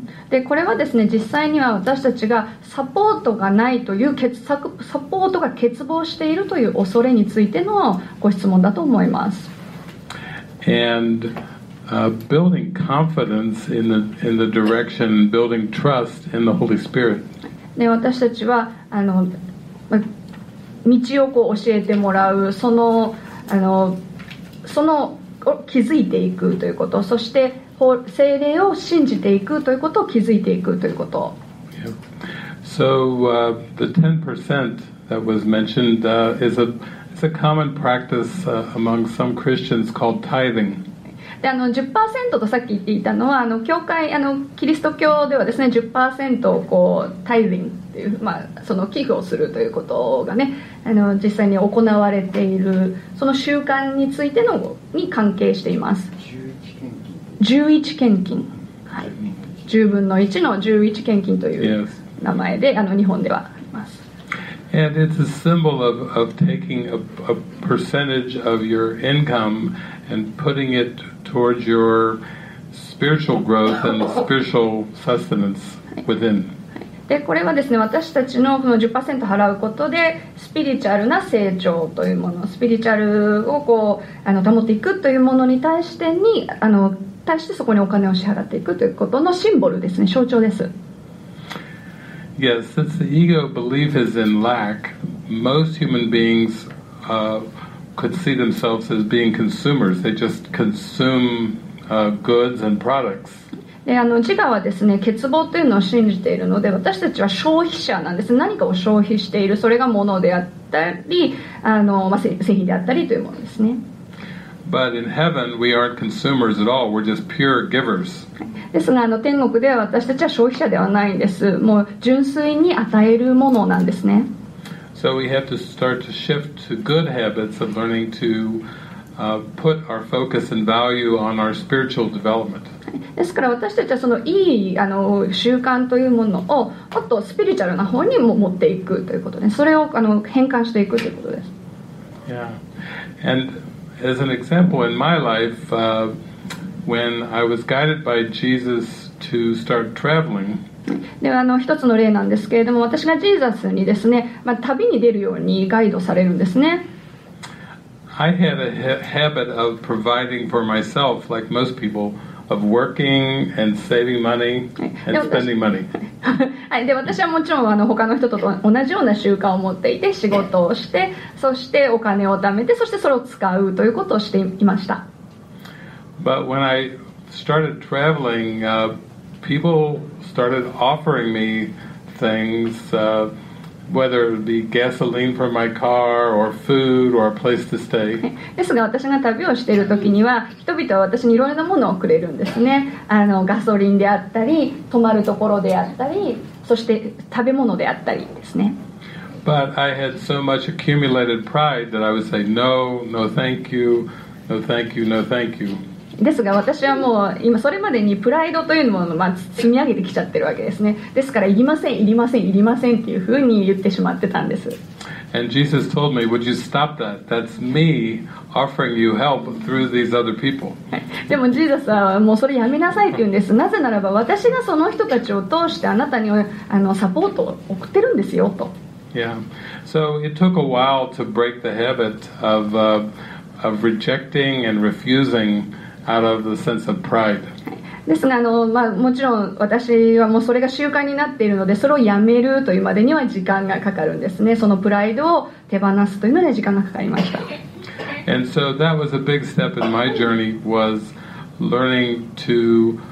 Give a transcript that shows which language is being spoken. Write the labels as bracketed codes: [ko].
[ja] で、これはですね、実際には私たちがサポートがないという、サポートが欠乏しているという恐れについてのご質問だと思います。 [en] And building confidence in the direction, building trust in the Holy Spirit. [ja] で、私たちは道をこう教えてもらうその気づいていくということそして聖霊を信じていくということを気づいていくということ、 [en] yeah. So the 10% that was mentioned is a common practice among some Christians called tithing [ja] で 10% とさっき言っていたのは教会キリスト教ではですね 10% をこうタイディングっていう、まあ、その寄付をするということがね実際に行われているその習慣についてのに関係しています 11献金、はい、10分の1の11献金という名前で日本ではあります [en] And it's a symbol of taking a percentage of your income and putting itTowards your spiritual growth and spiritual sustenance within. [ja] で、これはですね、私たちのこの 10% 払うことで、スピリチュアルな成長というもの、スピリチュアルをこう保っていくというものに対してに対してそこにお金を支払っていくということのシンボルですね、象徴です。 [en] Yes, since the ego belief is in lack, most human beings could see themselves as being consumers. They just consume goods and products. [ja] で、自我はですね、欠乏というのを信じているので、私たちは消費者なんです。何かを消費している。それが物であったり、まあ、製品であったりというものですね。 [en] But in heaven, we aren't consumers at all. We're just pure givers. [ja] ですが、天国では私たちは消費者ではないんです。もう純粋に与えるものなんですね。 [en] So we have to start to shift to good habits of learning to put our focus and value on our spiritual development. [ja] ですから私たちはそのいい習慣というものをもっとスピリチュアルな方にも持っていくということで、それを変換していくということです。 [en] Yeah. And as an example in my life, when I was guided by Jesus to start traveling, [ja] で一つの例なんですけれども私がジーザスにですね、まあ、旅に出るようにガイドされるんですね [en] I had a habit of providing for myself like most people of working and saving money and spending money [ja] で私はもちろん他の人と同じような習慣を持っていて仕事をしてそしてお金を貯めてそしてそれを使うということをしていました [en] But when I started traveling people started offering me things, whether it be gasoline for my car or food or a place to stay. [ja] ですが、私が旅をしている時には、人々は私にいろいろなものをくれるんですね。ガソリンであったり、泊まるところであったり、そして食べ物であったりですね。 [en] But I had so much accumulated pride that I would say, no, no thank you, no thank you, no thank you. [ja] ですが私はもう今それまでにプライドというものをまあ積み上げてきちゃってるわけですね。ですからいりません、いりません、いりませんっていうふうに言ってしまってたんです。 [en] And Jesus told me, would you stop that? That's me offering you help through these other people. [ja] でもジーザスはもうそれやめなさいって言うんです。なぜならば私がその人たちを通してあなたにサポートを送ってるんですよと。 [en] Yeah. So it took a while to break the habit of rejecting and refusing. Out of the sense of pride. [ja] ですが、まあ、もちろん私はもうそれが習慣になっているのでそれをやめるというまでには時間がかかるんですねそのプライドを手放すというのには時間がかかりました [en] And so that was a big step in my journey was learning to